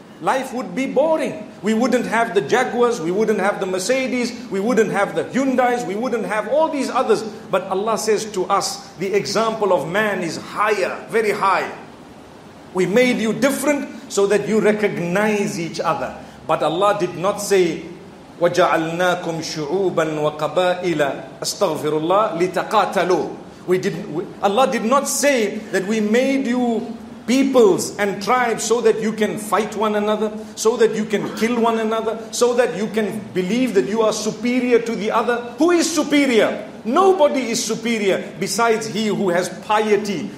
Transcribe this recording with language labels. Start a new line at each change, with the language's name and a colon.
English: Life would be boring. We wouldn't have the Jaguars, we wouldn't have the Mercedes, we wouldn't have the Hyundais, we wouldn't have all these others. But Allah says to us, the example of man is higher, very high. We made you different so that you recognize each other. But Allah did not say,
Arabic: وَجَعَلْنَاكُمْ شُعُوبًا وَقَبَائِلًا أَسْتَغْفِرُ اللَّهِ لِتَقَاتَلُوا.
English: Allah did not say that we made you peoples and tribes so that you can fight one another, so that you can kill one another, so that you can believe that you are superior to the other. Who is superior? Nobody is superior besides he who has piety.